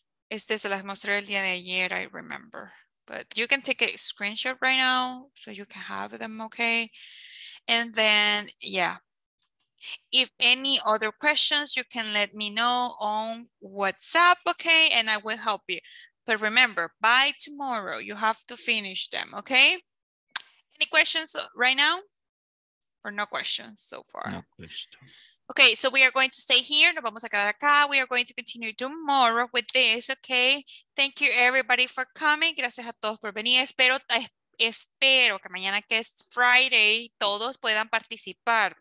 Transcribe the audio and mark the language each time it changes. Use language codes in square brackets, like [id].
[es] Este se las mostré el día de ayer, [en] I remember. But you can take a screenshot right now so you can have them, okay? And then, yeah. If any other questions, you can let me know on WhatsApp, okay? And I will help you. But remember, by tomorrow, you have to finish them, okay? Any questions right now? Or no questions so far? No questions. Okay, so we are going to stay here. [es] Nos vamos a quedar acá. [en] We are going to continue tomorrow with this, okay? Thank you everybody for coming. [es] Gracias a todos por venir. Espero que mañana, que es Friday, todos puedan participar.